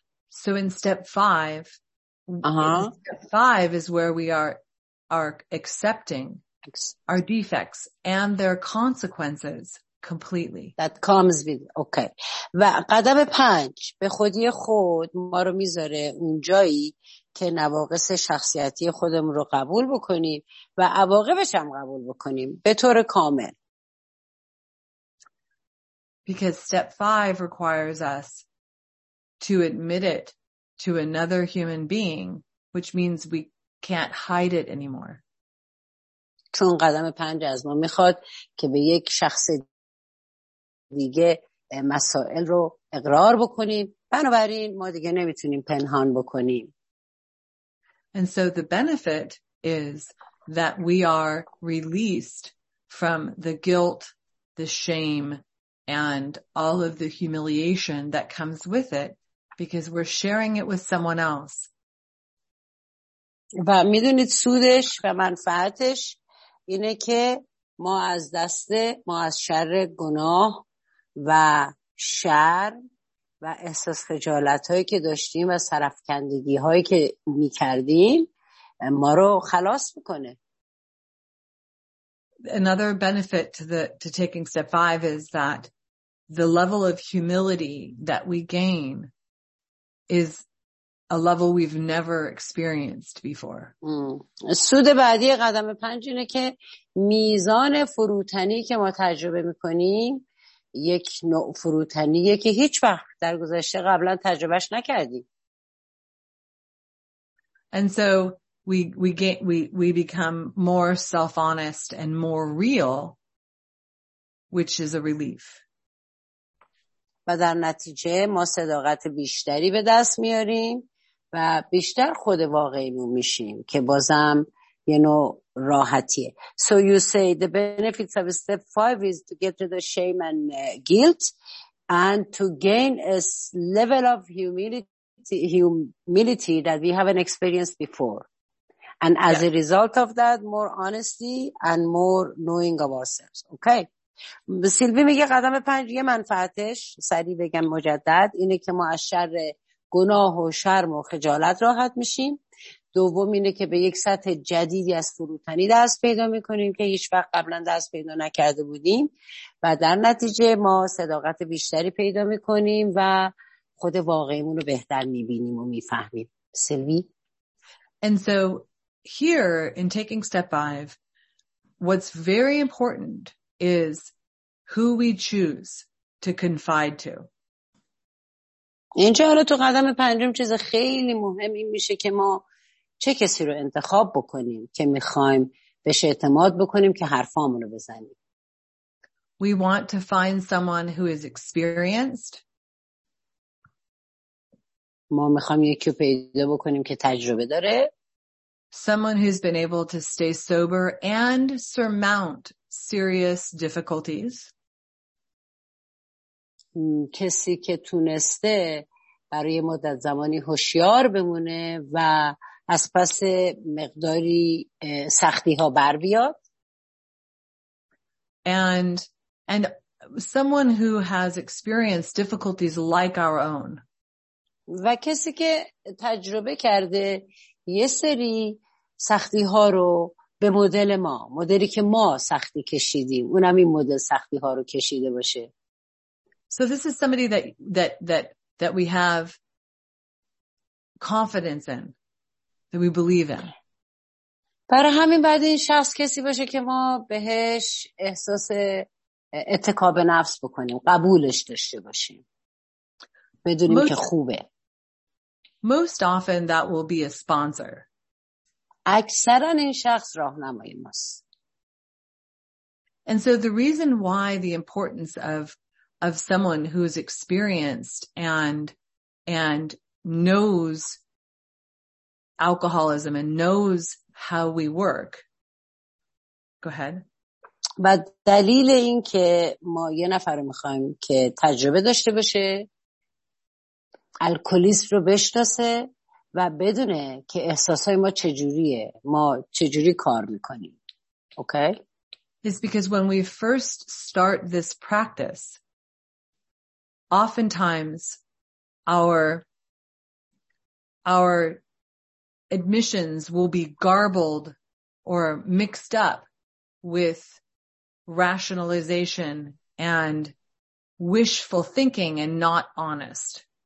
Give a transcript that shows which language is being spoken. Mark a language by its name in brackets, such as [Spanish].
[English] So in step five is where we are accepting our defects and their consequences completely. That comes with, okay. [Persian] و قدم 5 به خودی خود ما رو میذاره اونجایی که نواقص شخصیتی خودمون رو قبول بکنیم و عواقبش هم قبول بکنیم به طور کامل. [English] Because step 5 requires us to admit it to another human being, which means we can't hide it anymore. [Persian] چون قدم 5 از ما میخواد که به یک شخص دیگه مسائل رو اقرار بکنیم، بنابراین ما دیگه نمیتونیم پنهان بکنیم. [English] And so the benefit is that we are released from the guilt, the shame, and all of the humiliation that comes with it because we're sharing it with someone else. [Persian] و میدونید سودش و منفعتش اینه که ما از دست ما از شر گناه و شر و احساس خجالت هایی که داشتیم و سرفکندگی هایی که می کردیم ما رو خلاص میکنه. [English] Another benefit to taking step 5 is that the level of humility that we gain is a level we've never experienced before. [Persian] سود بعدی قدم 5 اینه که میزان فروتنی که ما تجربه میکنیم یک نوع فروتنیه که هیچ وقت در گذشته قبلا تجربهش نکردیم. [English] And so we become more self-honest and more real, which is a relief. [Persian] و در نتیجه ما صداقت بیشتری به دست میاریم و بیشتر خود واقعیمون میشیم که بازم یه نوع راحتیه. [English] So you say the benefits of step 5 is to get rid of shame and guilt and to gain a level of humility that we haven't experienced before. And as a result of that, more honesty and more knowing of ourselves. Okay. [Persian] سیلوی میگه قدم 5 یه منفعتش سریع بگم مجدد اینه که ما از شر گناه و شرم و خجالت راحت میشیم. دوم اینه که به یک سطح جدیدی از فروتنی دست پیدا میکنیم که هیچ وقت قبلا دست پیدا نکرده بودیم و در نتیجه ما صداقت بیشتری پیدا میکنیم و خود واقعیمون رو بهتر میبینیم و میفهمیم. سیلوی؟ [English] And so here in taking step 5 what's very important is who we choose to confide to. [Persian] اینجا حالا تو قدم 5 چیز خیلی مهم این میشه که ما چه کسی رو انتخاب بکنیم که میخوایم بهش اعتماد بکنیم که حرفامونو بزنیم. [English] We want to find someone who is experienced. [Persian] ما میخوایم یکی رو پیدا بکنیم که تجربه داره. [English] Someone who's been able to stay sober and surmount serious difficulties. [Persian] کسی که تونسته برای مدت زمانی هوشیار بمونه و از پس مقداری سختی ها بر بیاد. [English] And someone who has experienced difficulties like our own. [Persian] و کسی که تجربه کرده یه سری سختی ها رو به مدل ما، مدلی که ما سختی کشیدیم، اونم این مدل سختی ها رو کشیده باشه. [English] So this is somebody that we have confidence in, that we believe in. [Persian] برای همین بعد این شخص کسی باشه که ما بهش احساس اتکا به نفس بکنیم، قبولش داشته باشیم، بدونیم که خوبه. [English] Most often that will be a sponsor. [Persian] اکثرا این شخص راهنمای ماست. [English] And so the reason why the importance of someone who is experienced and knows alcoholism and knows how we work. Go ahead. [Persian] و دلیل این که ما یه نفر رو میخوایم که تجربه داشته باشه، الکلیسم رو بشناسه و بدونه که احساسای ما چجوریه، ما چجوری کار میکنیم. [English] Okay? Is because when we first start this practice, oftentimes our admissions will be garbled or mixed up with rationalization and wishful thinking and not honest.